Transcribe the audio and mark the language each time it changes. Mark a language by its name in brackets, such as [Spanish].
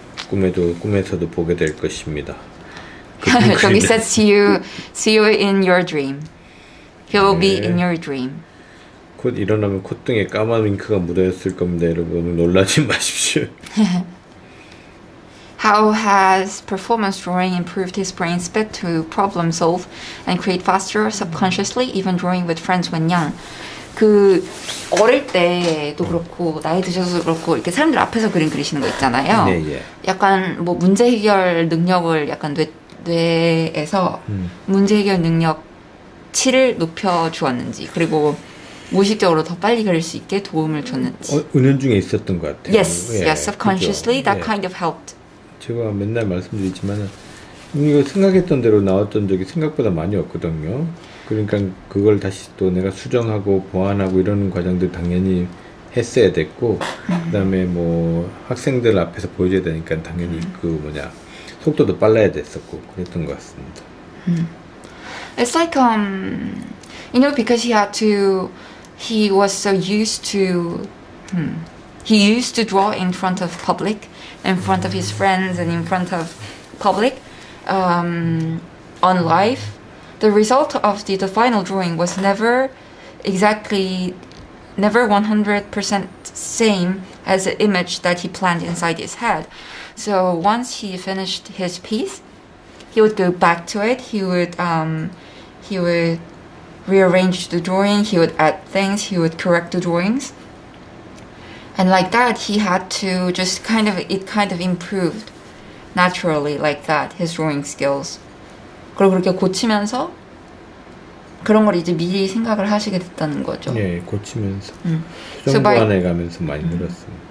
[Korean] 꿈에도 꿈에서도 보게 될 것입니다. [English] Jonghyun said, see you in your dream. He'll [Korean] 네. [English] be in your dream. [Korean] 곧 일어나면 콧등에 까만 잉크가 묻어있을 겁니다, 여러분. 놀라지 마십시오. [English] How has performance drawing improved his brain speed to problem solve and create faster subconsciously, even drawing with friends when young? [Korean] 그 어릴 때도 그렇고 나이 드셔서 그렇고 이렇게 사람들 앞에서 그림 그리시는 거 있잖아요. 네, 예. 약간 뭐 문제 해결 능력을 약간 뇌에서 문제 해결 능력치를 높여 주었는지 그리고 무의식적으로 더 빨리 그릴 수 있게 도움을 줬는지 은연중에 있었던 것 같아요. [English] Yes, [Korean] 예, [English] yes, subconsciously [Korean] 그죠. [English] that kind of helped. [Korean] 제가 맨날 말씀드리지만은 이거 생각했던 대로 나왔던 적이 생각보다 많이 없거든요. 그러니까 그걸 다시 또 내가 수정하고 보완하고 이러는 과정들 당연히 했어야 됐고 그다음에 뭐 학생들 앞에서 보여줘야 되니까 당연히 그 뭐냐 속도도 빨라야 됐었고 그랬던 것 같습니다. [English] It's like you know because he was so used to he used to draw in front of public. In front of his friends and in front of public, on live, the result of the final drawing was never exactly, never 100% same as the image that he planned inside his head. So once he finished his piece, he would go back to it. He would rearrange the drawing. He would add things. He would correct the drawings. And like that, he had to just kind of, it kind of improved naturally like that, his drawing skills. [Korean] 그리고 그렇게 고치면서 그런 걸 이제 미리 생각을 하시게 됐다는 거죠. 네, 고치면서. 수정 보완해 가면서 많이 늘었어요.